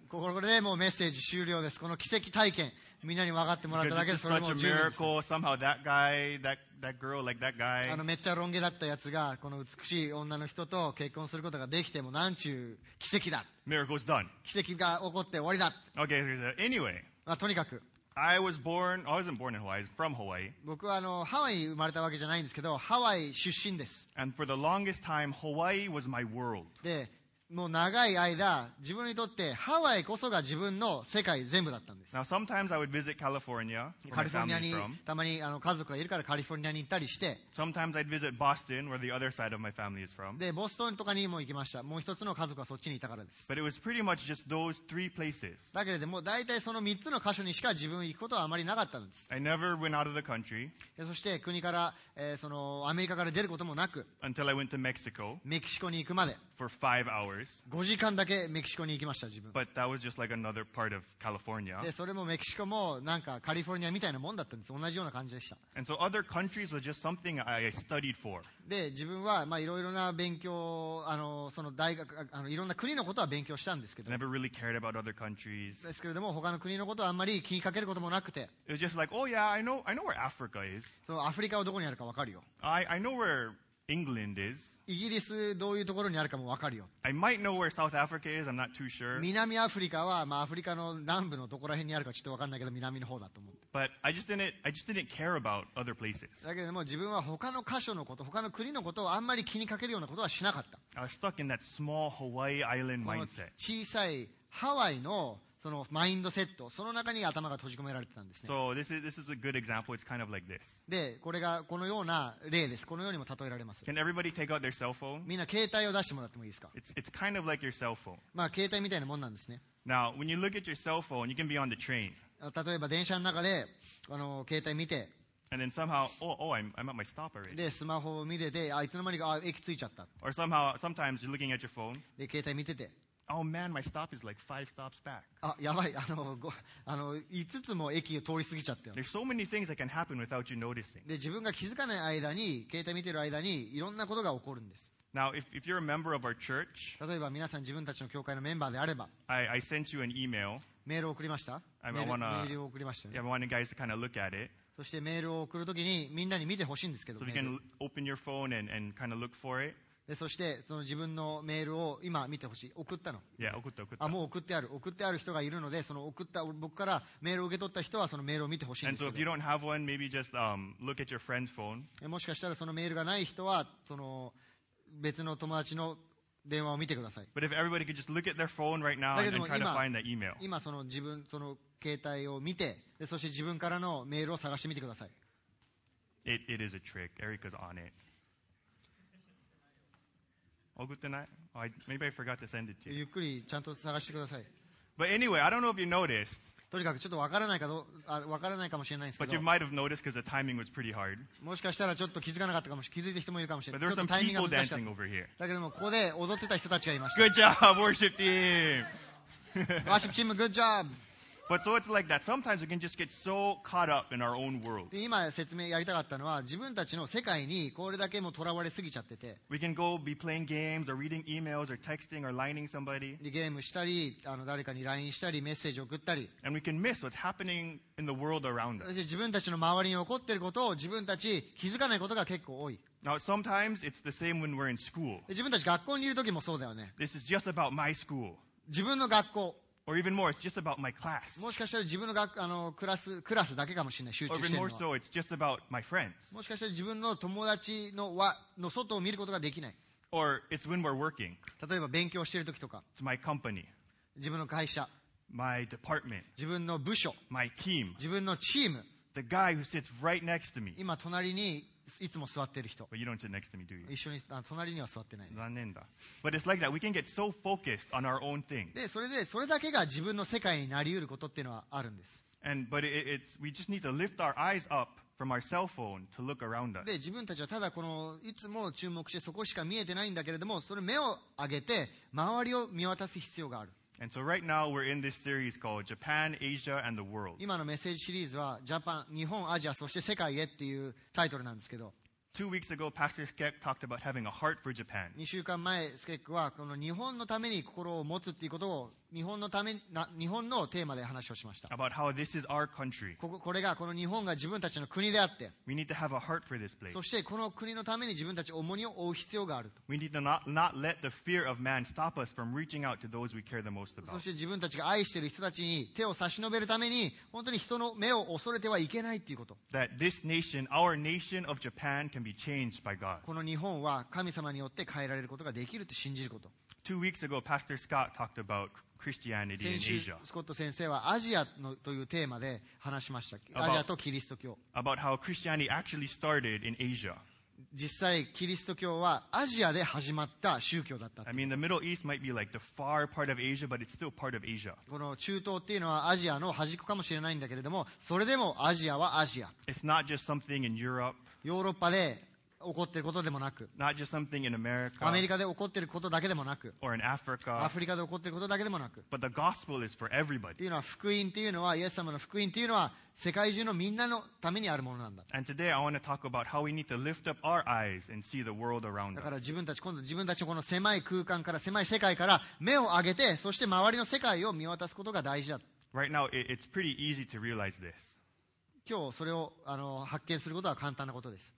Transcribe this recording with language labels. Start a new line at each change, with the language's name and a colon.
Japanese: ここでもうメッセージ終了です。この奇跡体験、みんなに分かってもらっただけでそれも十分です。
English: Such a miracle. Somehow that guy, that girl, like that guy.
Japanese: あのめっちゃロン毛だったやつがこの美しい女の人と結婚することができても、なんちゅう奇跡だ。
English: Miracle's done.
Japanese: 奇跡が起こって終わりだ。
English: Okay, so anyway.
Japanese: まあとにかく。
English: I wasn't born in Hawaii. I'm from Hawaii.
Japanese: 僕はあのハワイ生まれたわけじゃないんですけど、ハワイ出身です。
English: And for the longest time, Hawaii was my world.
Japanese: で、もう長い間自分にとってハワイこそが自分の世界全部だったんです。
English: Now, sometimes I would visit California,
Japanese: カリフォルニアにたまにあの家族がいるからカリフォルニアに行ったりして、
English: Sometimes I'd visit Boston, where the other side of my family is from.
Japanese: でボストンとかにも行きました。もう一つの家族はそっちにいたからです。
English: But it was pretty much just those three places.
Japanese: だけれども大体その3つの箇所にしか自分行くことはあまりなかったんです。
English: I never went out of the country.
Japanese: そして国から、そのアメリカから出ることもなく、
English: Until I went to Mexico,
Japanese: メキシコに行くまで
English: For 5 hours.
Japanese: 5時間だけメキシコに行きました自分。
English: But that was just like another part of California.
Japanese: でそれもメキシコもなんかカリフォルニアみたいなもんだったんです。同じような感じでした。
English: And so other countries were just something I studied for.
Japanese: で自分はまあいろいろな勉強、あのその大学、あのいろんな国のことは勉強したんですけど。
English: Never really cared about other countries.
Japanese: ですけれども他の国のことはあんまり気にかけることもなくて。
English: It was just like, oh yeah, I know where Africa is.
Japanese: そうアフリカはどこにあるかわかるよ。
English: I know where England is.
Japanese: イギリスどういうところにあるかも分かるよ。
English: I might know where South Africa is. I'm not too sure.
Japanese: 南アフリカは、まあ、アフリカの南部のどこら辺にあるかちょっと分かんないけど南の方だと思って。
English: But I just didn't care about other places.
Japanese: だけども自分は他の箇所のこと、他の国のことをあんまり気にかけるようなことはしなかった。
English: I was stuck in that small Hawaii island mindset.
Japanese: この小さいハワイのそのマインドセット、その中に頭が閉じ込められてたんですね。
English: So this is a good example. It's kind of like this.
Japanese: で、これがこのような例です。このようにも例えられます。
English: Can everybody take out their cell phone?
Japanese: みんな携帯を出してもらってもいいですか
English: ？It's kind of like your cell phone.
Japanese: まあ携帯みたいなもんなんですね。
English: Now when you look at your cell phone, you can be on the train.
Japanese: 例えば電車の中であの携帯見て、
English: and then somehow, oh, I'm at my stop already.
Japanese: で、スマホを見てて、あいつの間にか駅着いちゃった。
English: Or somehow, sometimes you're looking at your phone.
Japanese: で、携帯見てて。
English: Oh man, my stop is like 5 stops back.
Japanese: あ、やばい。あの、5つも駅を通り過ぎちゃったよ。
English: There's so many things that can happen without you noticing.
Japanese: で、自分が気づかない間に、携帯見てる間に、いろんなことが起こるんです。
English: Now, if you're a member of our church,
Japanese: 例えば皆さん自分たちの教会のメンバーであれば、
English: I sent you an email.
Japanese: メールを送りました。メールを送りました、ね。
English: Yeah, I want you guys to kind of look at it.
Japanese: そしてメールを送るときにみんなに見てほしいんですけど、
English: so、you can open your phone and kind of look for it.
Japanese: でそしてその自分のメールを今見てほしい。送ったの。いや、送った。あ、もう送ってある。送ってある人がいるので、その送った僕からメールを受け取った人はそのメールを見てほしいんですけど。
English: And so if you don't have one, maybe just look at your friend's phone.
Japanese: もしかしたらそのメールがない人はその別の友達の電話を見てください。
English: But if everybody could just look at their phone right now and try to find that email.
Japanese: 今その自分その携帯を見て、でそして自分からのメールを探してみてください。
English: It is a trick. Erica's on it.
Japanese: 送ってない?
English: Oh, maybe I forgot to send it to you.
Japanese: ゆっくりちゃんと探してください。
English: But anyway, I don't know if you noticed.
Japanese: とにかくちょっとわからないかもしれないんですけど。
English: But you might have noticed because the timing was pretty hard.
Japanese: もしかしたらちょっと気づかなかったかもしれない。気づいた人もいるかもしれない。
English: But there were some people dancing over here.
Japanese: だけどもここで踊ってた人たちがいました。
English: Good job, worship team. Worship team, good job. But so it's like that. Sometimes we can just get so caught up in our own world.
Japanese: で、今説明やりたかったのは、自分たちの世界にこれだけもとらわれすぎちゃってて。
English: We can go be playing games or reading emails or texting or lining somebody.
Japanese: で、ゲームしたり、あの誰かに LINE したり、メッセージ送ったり。
English: And we can miss what's happening in the world around us.
Japanese: 自分たちの周りに起こっていることを自分たち気づかないことが結構多い。
English: Now sometimes it's the same when we're in school.
Japanese: 自分たち学校にいる時もそうだよね。
English: This is just about my school.
Japanese: 自分の学校。
English: Or even more, it's just about my class.
Japanese: もしかしたら自分の学あのクラスクラスだけかもしれない集中してるのは。
English: Or even more so, it's just about my friends.
Japanese: もしかしたら自分の友達の輪の外を見ることができない。
English: Or it's when we're working.
Japanese: 例えば勉強してる時とか。
English: It's my company.
Japanese: 自分の会社。
English: My department.
Japanese: 自分の部署。
English: My team.
Japanese: 自分のチーム。
English: The guy who sits right next to me.
Japanese: 今隣にいつも座ってる人。
English: But you don't sit next to me, do you?
Japanese: 一緒に隣には座ってない、ね。残念だ。
English: But it's like that. We can get so focused on our own thing.
Japanese: で、それでそれだけが自分の世界になりうることっていうのはあるんです。
English: And but it's we just need to lift our eyes up from our cell phone to look around us.
Japanese: で、自分たちはただこのいつも注目してそこしか見えてないんだけれども、それ目を上げて周りを見渡す必要がある。
English: And so right now we're in this series called Japan, Asia, and the World.
Japanese: 今のメッセージシリーズはジャパン、日本、アジア、そして世界へっていうタイトルなんですけど。
English: Two weeks ago, Pastor Skek talked about having a heart for Japan.
Japanese: 2週間前、スケックはこの日本のために心を持つっていうことを日本のため、日本のテーマで話をしました。
English: About how this is our country.
Japanese: これがこの日本が自分たちの国であって。
English: We need to have a heart for this place.
Japanese: そしてこの国のために自分たち重荷を負う必要があると。
English: We need to not let the fear of man stop us from reaching out to those we care the most about.
Japanese: そして自分たちが愛している人たちに手を差し伸べるために本当に人の目を恐れてはいけないっていうこと。
English: That this nation, our nation of Japan, can be changed by God.
Japanese: この日本は神様によって変えられることができると信じること。
English: Two weeks ago, Pastor Scott talked about Christianity in Asia.
Japanese: スコット先生はアジアのというテーマで話しました。アジアとキリスト教。
English: About how Christianity actually started in Asia.
Japanese: 実際キリスト教はアジアで始まった宗教だった。
English: I mean, the Middle East might be like the far part of Asia, but it's still part of Asia.
Japanese: この中東っていうのはアジアの端っこかもしれないんだけれども、それでもアジアはアジア。
English: It's not just something in Europe.
Japanese: ヨーロッパで起こっていることでもなく、
English: Not just something in America,
Japanese: アメリカで起こっていることだけでもなく、
English: or in Africa,
Japanese: アフリカで起こっていることだけでもなく、
English: But the gospel is for everybody.
Japanese: っていうのは福音っていうのは、イエス様の福音っていうのは、世界中のみんなのためにあるものなんだ。
English: And today I want to talk about how we need to lift up our eyes and see the world around us.
Japanese: だから自分たち、今度自分たちのこの狭い空間から、狭い世界から目を上げて、そして周りの世界を見渡すことが大事だ。
English: Right now, it's pretty easy to realize this.
Japanese: 今日それを発見することは簡単なことです。